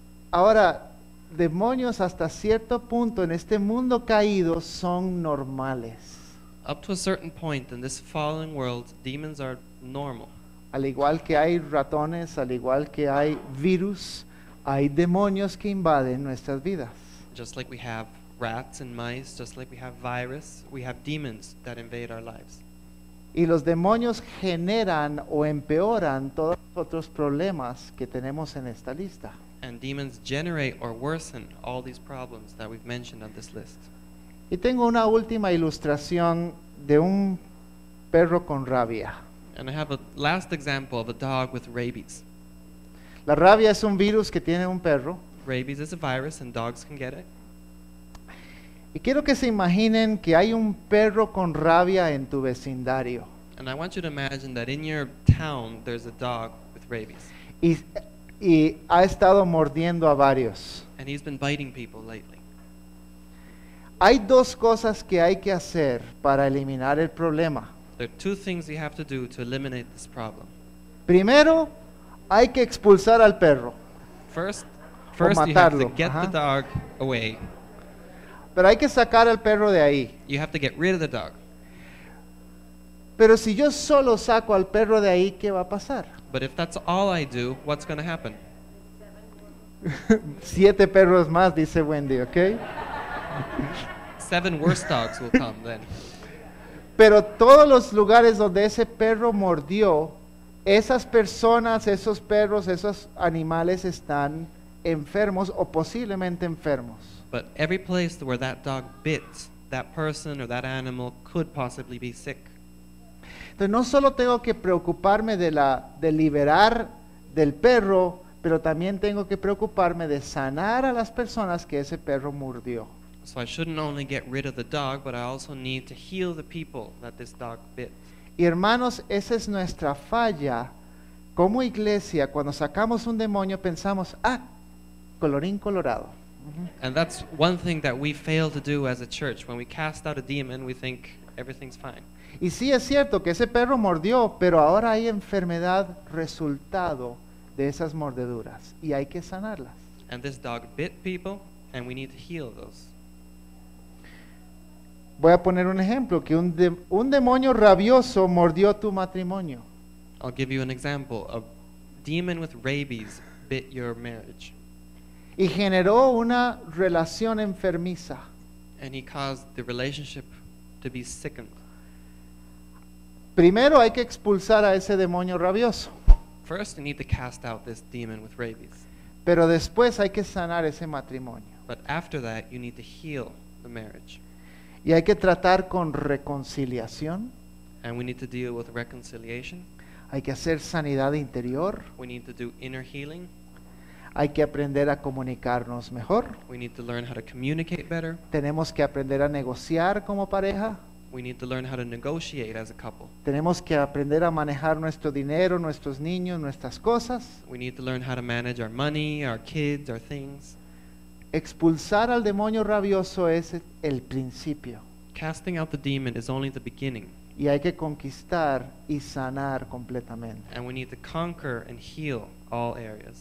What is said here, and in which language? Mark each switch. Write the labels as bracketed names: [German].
[Spanish] Ahora, demonios hasta cierto punto en este mundo caído son normales. [English] Up to a certain point in this fallen world, demons are normal. [Spanish] Al igual que hay ratones, al igual que hay virus, hay demonios que invaden nuestras vidas. [English] Just like we have rats and mice, just like we have virus, we have demons that invade our lives. [Spanish] Y los demonios generan o empeoran todos los otros problemas que tenemos en esta lista. [English] And demons generate or worsen all these problems that we've mentioned on this list. [Spanish] Y tengo una última ilustración de un perro con rabia. [English] And I have a last example of a dog with rabies. [Spanish] La rabia es un virus que tiene un perro. [English] Rabies is a virus and dogs can get it. [Spanish] Y quiero que se imaginen que hay un perro con rabia en tu vecindario. [English] And I want you to imagine that in your town there's a dog with rabies. [Spanish] Y ha estado mordiendo a varios. [English] And he's been biting people lately. [Spanish] Hay dos cosas que hay que hacer para eliminar el problema. [English] There are two things you have to do to eliminate this problem. [Spanish] Primero, hay que expulsar al perro. [English] First you have to get the dog away. [Spanish] Pero hay que sacar al perro de ahí. [English] You have to get rid of the dog. [Spanish] Pero si yo solo saco al perro de ahí, ¿qué va a pasar? [English] But if that's all I do, what's going to happen? [Spanish] Siete perros más, dice Wendy, okay? [English] Seven worse dogs will come then. [Spanish] Pero todos los lugares donde ese perro mordió, esas personas, esos perros, esos animales están enfermos o posiblemente enfermos. [English] But every place where that dog bit, that person or that animal could possibly be sick. [Spanish] Entonces no solo tengo que preocuparme de liberar del perro, pero también tengo que preocuparme de sanar a las personas que ese perro mordió. [English] So I shouldn't only get rid of the dog, but I also need to heal the people that this dog bit. [Spanish] Y hermanos, esa es nuestra falla. Como iglesia, cuando sacamos un demonio, pensamos, ah, colorín colorado. [English] And that's one thing that we fail to do as a church. When we cast out a demon, we think everything's fine. [Spanish] Y sí, es cierto que ese perro mordió, pero ahora hay enfermedad resultado de esas mordeduras, y hay que sanarlas. [English] And this dog bit people, and we need to heal those. [Spanish] Voy a poner un ejemplo, que un demonio rabioso mordió tu matrimonio. [English] I'll give you an example. A demon with rabies bit your marriage. [Spanish] Y generó una relación enfermiza. [English] And he caused the relationship to be sickened. [Spanish] Primero hay que expulsar a ese demonio rabioso. [English] First you need to cast out this demon with rabies. [Spanish] Pero después hay que sanar ese matrimonio. [English] But after that you need to heal the marriage. [Spanish] Y hay que tratar con reconciliación. [English] And we need to deal with reconciliation. [Spanish] Hay que hacer sanidad interior. [English] We need to do inner healing. [Spanish] Hay que aprender a comunicarnos mejor. [English] We need to learn how to communicate better. [Spanish] Tenemos que aprender a negociar como pareja. [English] We need to learn how to negotiate as a couple. [Spanish] Tenemos que aprender a manejar nuestro dinero, nuestros niños, nuestras cosas. [English] We need to learn how to manage our money, our kids, our things. [Spanish] Expulsar al demonio rabioso es el principio. [English] Casting out the demon is only the beginning. [Spanish] Y hay que conquistar y sanar completamente. [English] And we need to conquer and heal all areas.